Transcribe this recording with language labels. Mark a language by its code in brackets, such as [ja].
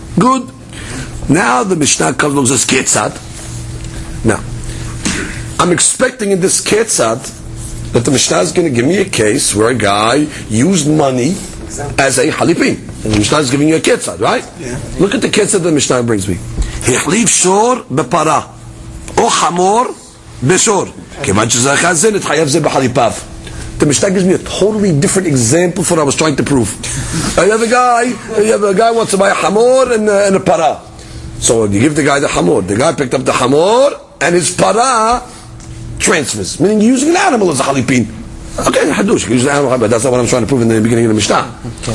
[en] Good. Now the Mishnah comes along and says, Ketzad. Now, I'm expecting in this Ketzad that the Mishnah is going to give me a case where a guy used money as a halipin. And the Mishnah is giving you a Ketzad, right? Yeah. Look at the Ketzad that the Mishnah brings me. [he] החליף שור בפרה או חמור בשור כיוון שזה חזן את חייב זה בחליפיו. [en] The Mishnah gives me a totally different example for what I was trying to prove. You have a guy wants to buy a hamor and a para. So you give the guy the hamor. The guy picked up the hamor and his para transfers, meaning using an animal as a halipin. Okay, hadush, use the animal, but that's not what I'm trying to prove in the beginning of the Mishnah.